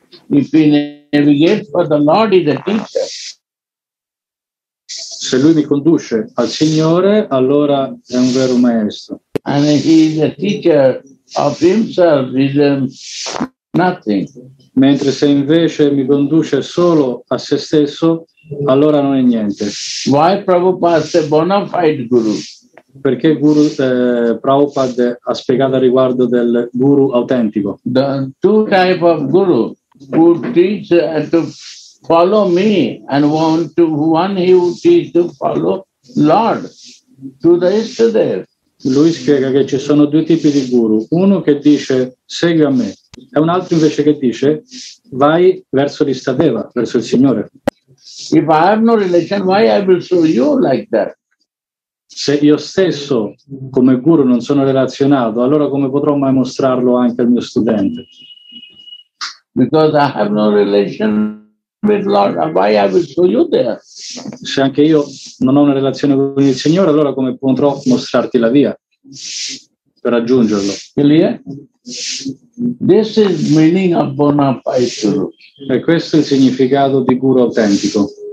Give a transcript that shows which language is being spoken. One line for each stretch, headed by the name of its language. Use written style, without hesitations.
English: If he navigates for the Lord, is a teacher.
Italian: Se lui mi conduce al Signore, allora è un vero maestro.
English: And he is a teacher of himself, is nothing.
Italian: Mentre se invece mi conduce solo a se stesso, allora non è niente.
English: Why Prabhupada said bona fide guru?
Italian: Perché Guru Prabhupada ha spiegato riguardo del guru autentico.
English: The two type of guru who teach to follow me and want to one he would teach to follow Lord to the Ishtadev.
Italian: Lui spiega che ci sono due tipi di guru, uno che dice segui a me e un altro invece che dice vai verso l'Ishtadeva, verso il Signore.
English: If I have no religion, why I will show you like that?
Italian: Se io stesso come guru non sono relazionato, allora come potrò mai mostrarlo anche al mio studente?
English: Because I have no relation with Lord, why I will show you there?
Italian: Se anche io non ho una relazione con il Signore, allora come potrò mostrarti la via per raggiungerlo?
English: This is meaning of bona fide guru.
Italian: E questo è il significato di guru autentico.